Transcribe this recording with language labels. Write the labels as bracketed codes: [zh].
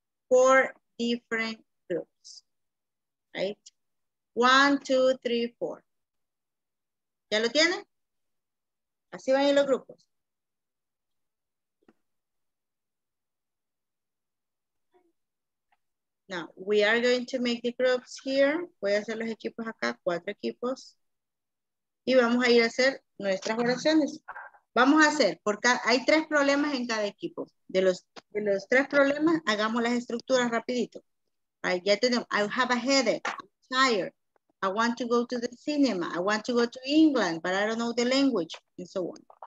[en] Four different groups, right? [es] 1, 2, 3, 4. ¿Ya lo tienen? Así van a ir los grupos. [en] Now, we are going to make the groups here. [es] Voy a hacer los equipos acá, cuatro equipos. Y vamos a ir a hacer nuestras oraciones. Vamos a hacer, porque hay tres problemas en cada equipo. De los tres problemas, hagamos las estructuras rapidito. [en] Right, [es] ya tenemos, [en] I have a headache, I'm tired. I want to go to the cinema. I want to go to England, but I don't know the language, and so on.